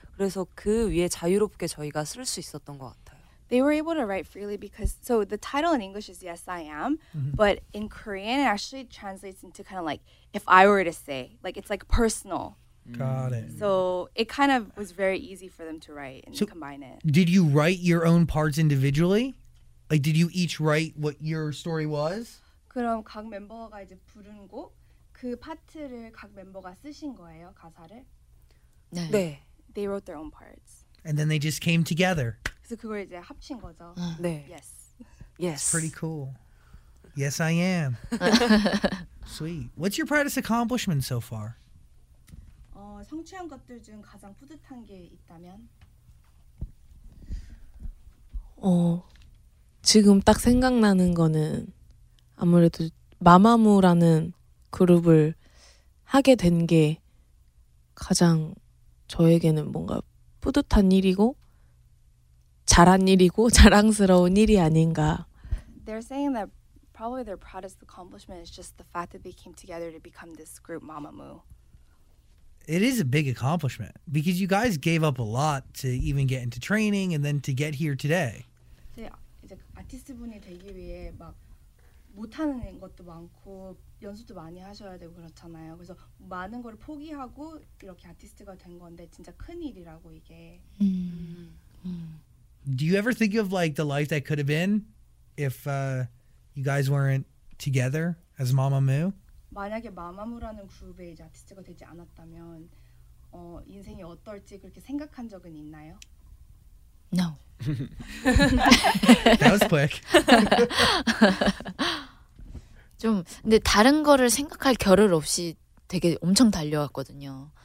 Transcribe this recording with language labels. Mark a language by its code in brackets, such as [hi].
[ko] 그래서 그 위에 자유롭게 저희가 쓸 수 있었던 것 같아요. [en] They were able to write freely because so the title in English is Yes I Am, but in Korean it actually translates into kind of like if I were to say, like it's like personal. Got it. So it kind of was very easy for them to write and so combine it. Did you write your own parts individually? Like did you each write what your story was? [ko] 그럼 각 멤버가 이제 부른 곡 그 파트를 각 멤버가 쓰신 거예요, 가사를? 네. 네. [en] They wrote their own parts. And then they just came together. [ko] 그래서 그걸 이제 합친 거죠. 네. [en] Yes. Yes. It's pretty cool. Yes, I am. Sweet. What's your proudest accomplishment so far? [ko] 성취한 것들 중 가장 뿌듯한 게 있다면? 지금 딱 생각나는 거는 아무래도 마마무라는 그룹을 하게 된 게 가장 저에게는 뭔가 뿌듯한 일이고 잘한 일이고 자랑스러운 일이 아닌가. [en] They're saying that probably their proudest accomplishment is just the fact that they came together to become this group Mamamoo. It is a big accomplishment because you guys gave up a lot to even get into training and then to get here today. [ko] 이제 아티스트분이 되기 위해 막 못하는 것도 많고 연습도 많이 하셔야 되고 그렇잖아요. 그래서 많은 걸 포기하고 이렇게 아티스트가 된 건데 진짜 큰 일이라고 이게. [en] Do you ever think of like the life that could have been if you guys weren't together as Mamamoo? [ko] 만약에 마마무라는 그룹에 이제 아티스트가 되지 않았다면 인생이 어떨지 그렇게 생각한 적은 있나요? [en] No. That was quick. [ko] 좀 근데 다른 거를 생각할 겨를 없이 되게 엄청 달려왔거든요.